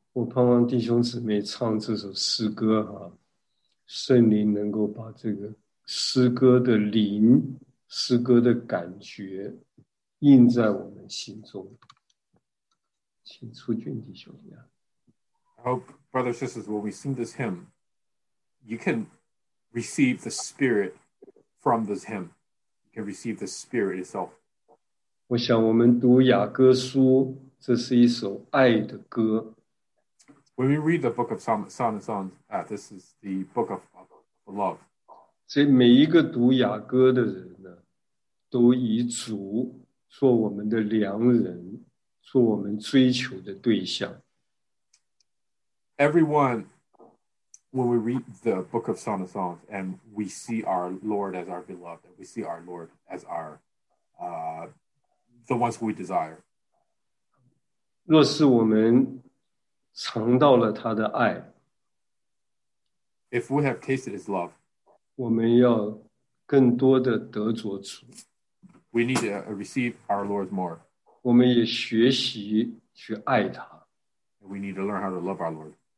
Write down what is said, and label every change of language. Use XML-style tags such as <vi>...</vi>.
<zh>盼望弟兄姊妹唱这首诗歌啊，圣灵能够把这个诗歌的灵、诗歌的感觉印在我们心中。请出俊弟兄啊。</zh> <en>Oh, brothers and sisters, when we sing this hymn, you can receive the spirit from this hymn. You can receive the spirit itself.</en> <zh>我想我们读雅歌书，这是一首爱的歌。</zh> <en>When we read the book of Song of Songs, this is the book of love.</en> <zh>所以每一个读雅歌的人呢, 都以主做我们的良人, 做我们追求的对象。</zh> <en>Everyone, when we read the book of Song of Songs, and we see our Lord as our beloved, and we see our Lord as our the ones we desire.</en> <zh>若是我们 尝到了他的爱,</zh> <en>if we have tasted his love,</en> <zh>我们要更多的得着主,</zh> <en>we need to receive our Lord more.</en> <zh>我们也学习去爱他,</zh> <en>we need to learn how to love our Lord.</en>